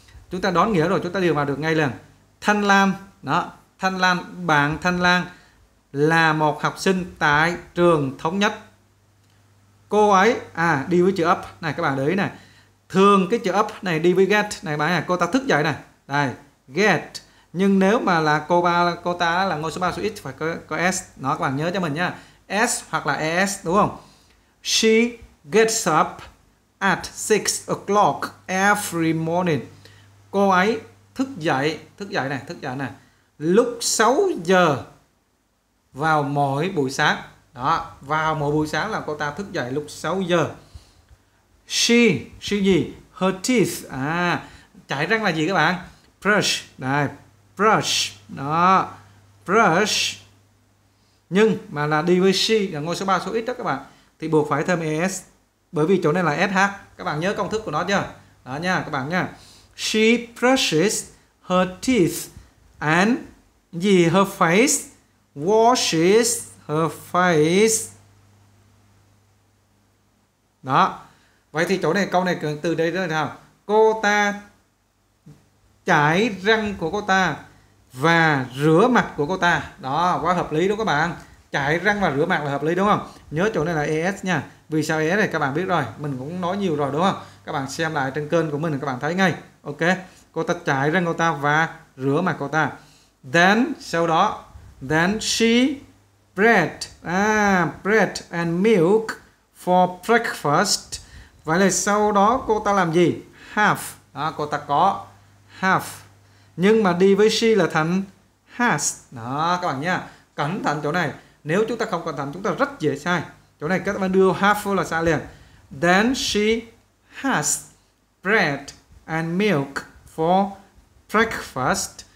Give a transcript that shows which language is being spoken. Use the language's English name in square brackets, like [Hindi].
[Vietnamese] Chúng ta đón nghĩa rồi, chúng ta điền vào được ngay liền. Thanh Lam, đó, Thanh Lam, bạn Thanh Lam là một học sinh tại trường Thống Nhất. Cô ấy, à, đi với chữ up, này các bạn để ý này. Thường cái chữ up này đi với get, này các bạn này, cô ta thức dậy này. Đây, get, nhưng nếu mà là cô ba, cô ta là ngôi số 3, số x, phải có s, đó các bạn nhớ cho mình nha. S hoặc là es, đúng không? [English] She gets up at 6 o'clock every morning. [Vietnamese] Cô ấy thức dậy này lúc 6 giờ vào mỗi buổi sáng. Đó, vào mỗi buổi sáng là cô ta thức dậy lúc 6 giờ. She gì? [English] Her teeth. [Vietnamese] À, chải răng là gì các bạn? Brush. Đây, brush. Đó, brush. Nhưng mà là đi với she là ngôi số 3, số x đó các bạn, thì buộc phải thêm es, bởi vì chỗ này là sh. Các bạn nhớ công thức của nó chưa? Đó nha các bạn nha. [English] She brushes her teeth and gì, her face, washes her face. Đó. [Vietnamese] Vậy thì chỗ này, câu này từ đây đó là cô ta chải răng của cô ta và rửa mặt của cô ta. Đó, quá hợp lý đúng không các bạn? Chải răng và rửa mặt là hợp lý đúng không? Nhớ chỗ này là ES nha. Vì sao ES này các bạn biết rồi, mình cũng nói nhiều rồi đúng không? Các bạn xem lại trên kênh của mình các bạn thấy ngay. Ok, cô ta chải răng cô ta và rửa mặt cô ta. [English] Then, [Vietnamese] sau đó, [English] then she bread, bread and milk for breakfast. [Vietnamese] Vậy là sau đó cô ta làm gì? Have, đó, cô ta có have, nhưng mà đi với she là thành has. Đó các bạn nha, cẩn thận chỗ này, nếu chúng ta không cẩn thận chúng ta rất dễ sai. Chỗ này các bạn đưa have là sai liền. [English] Then she has bread and milk for breakfast.